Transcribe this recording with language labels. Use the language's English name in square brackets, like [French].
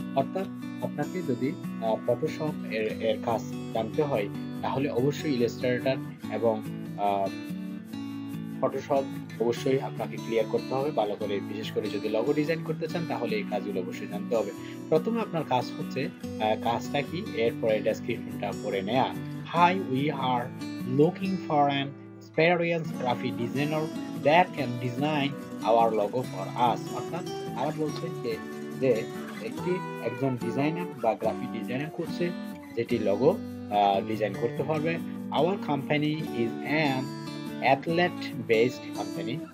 [Bangla] অর্থাৎ আপনাকে যদি ফটোশপ এর কাজ জানতে হয় তাহলে অবশ্যই ইলাস্ট্রেটর এবং ফটোশপ অবশ্যই আপনাকে ক্লিয়ার করতে হবে ভালো করে, বিশেষ করে যদি লগো ডিজাইন করতে চান তাহলে এই কাজগুলো অবশ্যই জানতে হবে। প্রথমে আপনার কাজ হচ্ছে কাজটা কি, এরপরে ডেসক্রিপশনটা পড়ে নেয়া। [English] Hi, we are looking for an experienced graphic designer that can design our logo for us. [Bangla] অর্থাৎ আমরা বলছি যে একটি একজন ডিজাইনার বা গ্রাফিক ডিজাইনার করছে যেটি লোগো ডিজাইন করতে পারবে। [English] Our company is an athlete-based company.